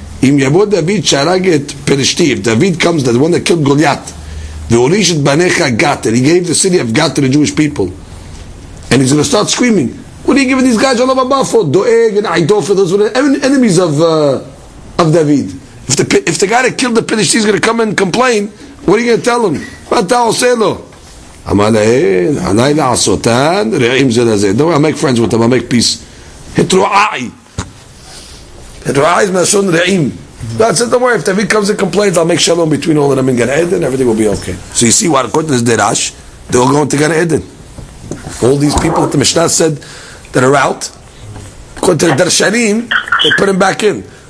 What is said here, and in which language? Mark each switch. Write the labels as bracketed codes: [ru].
[he] אם יבוא דוד שהרג את פלשתי, [en] if David comes, the one that killed Goliath, [he] והוריש את בניך גת, [en] and he gave the city of גת to the Jewish people, and he's going to start screaming, what are you giving these guys all of above for? דואג, and עידופה, those were the enemies of David. If the guy that killed the פלשתי is going to come and complain, what are you going to tell him? [he] מה אתה עושה לו? אמר להן, עליי לעשותן, רעים זה לזה. [en] Don't worry, I'll make friends with them, I'll make peace. Hitru'ai. Hitru'ai is Mashon Re'im. God says, don't worry, if David comes and complains, I'll make shalom between all of them in Gan Eden, everything will be okay. So you see, while according to this Derash, they're all going to Gan Eden. All these people that the Mishnah said that are out, according to the Darshanim, they put him back in.